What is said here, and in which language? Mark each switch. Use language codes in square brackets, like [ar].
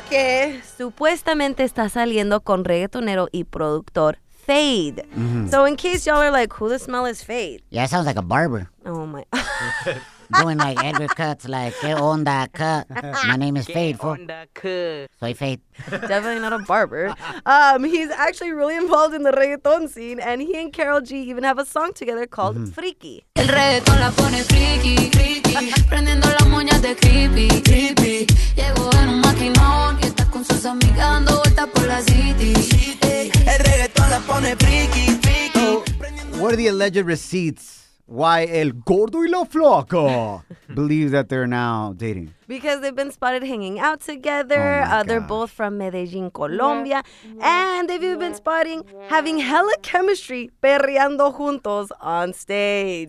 [es] Porque supuestamente está saliendo con reggaetonero y productor Fade. Mm-hmm. [en] So in case y'all are like, who the smell is Fade? Yeah, it sounds like a barber. Oh my. Doing like Edgar cuts, like, [es] que onda [en] cut. My name is [es] que Fade. Soy Fade. [en] Definitely not a barber. He's actually really involved in the reggaeton scene, and he and Karol G even have a song together called Freaky. [es] El reggaeton la pone freaky, freaky. Prendiendo las moñas de creepy, creepy. Llego en un maquinón y está con sus amigas dando vueltas por la city. El reggaeton la pone freaky, freaky. [en] What are the alleged receipts? Why El Gordo y la Flaca believe that they're now dating? Because they've been spotted hanging out together. Oh, they're both from Medellin, Colombia. And they've even been spotting having hella chemistry [es] perreando juntos [en] on stage.